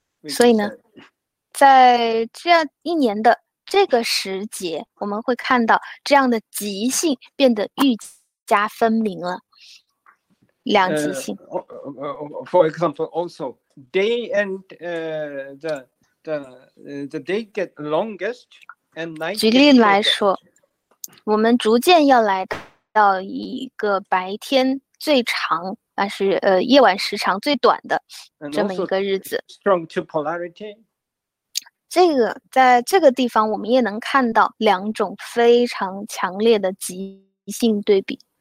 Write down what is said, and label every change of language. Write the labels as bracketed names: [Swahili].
[Chinese] 所以呢，在这样一年的这个时节，我们会看到这样的极性变得愈加分明了，两极性。 [English] For example, also day and the day get longest and night. [Chinese] 举例来说，我们逐渐要来到一个白天最长，但是夜晚时长最短的这么一个日子。 [English] Strong to polarity. [Chinese] 这个在这个地方，我们也能看到两种非常强烈的极性对比。